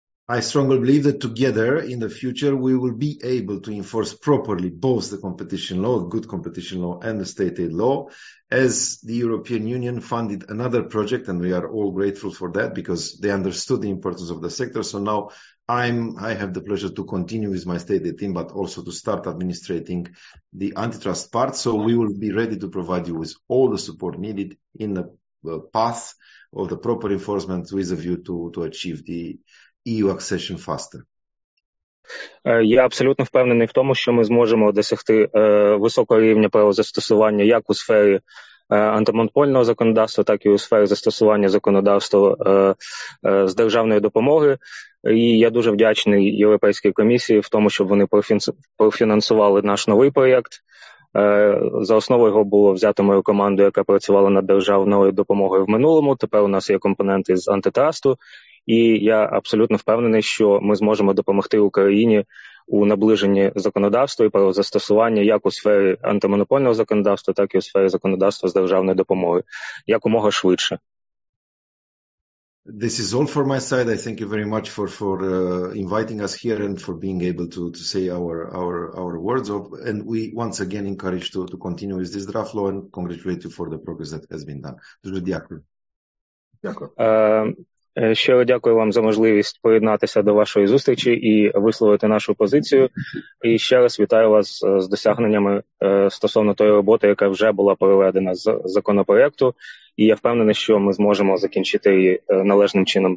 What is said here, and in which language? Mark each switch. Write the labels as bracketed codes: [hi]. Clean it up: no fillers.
[en] I strongly believe that together in the future we will be able to enforce properly both the competition law, good competition law, and the state aid law, as the European Union funded another project, and we are all grateful for that because they understood the importance of the sector. So now I have the pleasure to continue with my state aid team, but also to start administrating the antitrust part. So we will be ready to provide you with all the support needed in the path of the proper enforcement with a view to achieve the EU accession faster. [uk] Я абсолютно впевнений в тому, що ми зможемо досягти високого рівня правозастосування як у сфері антимонопольного законодавства, так і у сфері застосування законодавства з державної допомоги. І я дуже вдячний Європейській комісії в тому, щоб вони профінансували наш новий проєкт. За основу його було взято мою команду, яка працювала над державною допомогою в минулому. Тепер у нас є компоненти з антитрасту. І я абсолютно впевнений, що ми зможемо допомогти Україні у наближенні законодавства і правозастосування як у сфері антимонопольного законодавства, так і у сфері законодавства з державної допомоги, якомога швидше. [en] This is all for my side. I thank you very much for inviting us here and for being able to say our words of, and we once again encourage to continue with this draft law and congratulate you for the progress that has been done. [uk] Дуже дякую. Дякую. Щиро дякую вам за можливість поєднатися до вашої зустрічі і висловити нашу позицію. І ще раз вітаю вас з досягненнями стосовно тої роботи, яка вже була проведена з законопроекту. І я впевнений, що ми зможемо закінчити її належним чином.